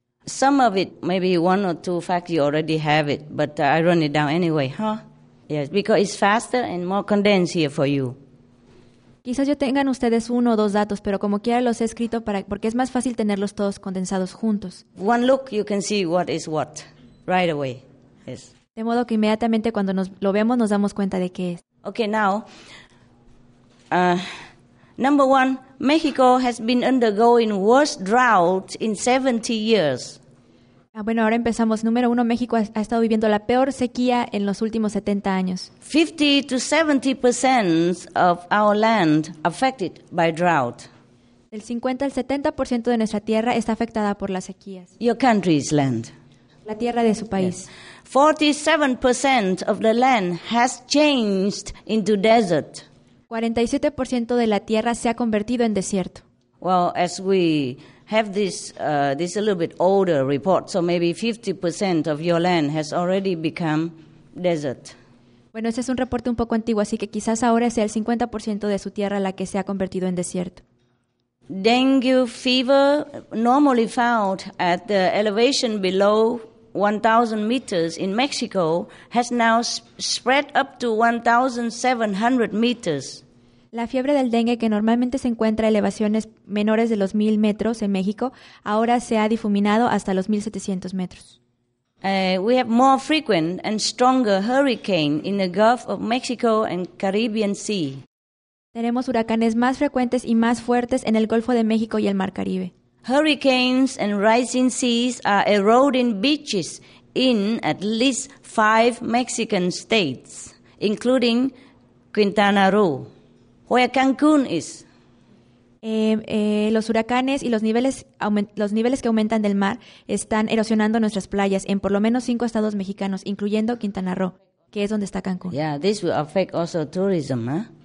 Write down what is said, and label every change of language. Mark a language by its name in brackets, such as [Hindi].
[English] Some of it, maybe one or two facts you already have it, but I run it down anyway, huh? Yes, because it's faster and more condensed here for you. [Spanish] Quizás yo tengan ustedes uno o dos datos, pero como quiera los he escrito porque es más fácil tenerlos todos condensados juntos. [English] One look, you can see what is what, right away. Yes. [Spanish] De modo que inmediatamente cuando lo vemos nos damos cuenta de qué es. [English] Okay, now, number one, Mexico has been undergoing worst drought in 70 years. [Spanish] Bueno, ahora empezamos. Número uno, México ha estado viviendo la peor sequía en los últimos 70 años. [English] 50 to 70% of our land affected by drought. [Spanish] El 50 al 70% de nuestra tierra está afectada por las sequías. [English] Your country's land. [Spanish] La tierra de su país. [English] Yes. 47% of the land has changed into desert. [Spanish] 47% de la tierra se ha convertido en desierto. [English] Well, as we have this a little bit older report, so maybe 50% of your land has already become desert. [Spanish] Bueno, ese es un reporte un poco antiguo, así que quizás ahora sea el 50% de su tierra la que se ha convertido en desierto. [English] Dengue fever, normally found at the elevation below 1,000 meters in Mexico, has now spread up to 1,700 meters. [Spanish] La fiebre del dengue, que normalmente se encuentra a elevaciones menores de los 1,000 metros en México, ahora se ha difuminado hasta los 1,700 metros. [English] We have more frequent and stronger hurricane in the Gulf of Mexico and Caribbean Sea. [Spanish] Tenemos huracanes más frecuentes y más fuertes en el Golfo de México y el Mar Caribe. [English] Hurricanes and rising seas are eroding beaches in at least 5 Mexican states, including Quintana Roo, where Cancun is. [Spanish] Los huracanes y los niveles que aumentan del mar están erosionando nuestras playas en por lo menos 5 estados mexicanos, incluyendo Quintana Roo, que es donde está Cancún. [English] Yeah, this will affect also tourism, huh?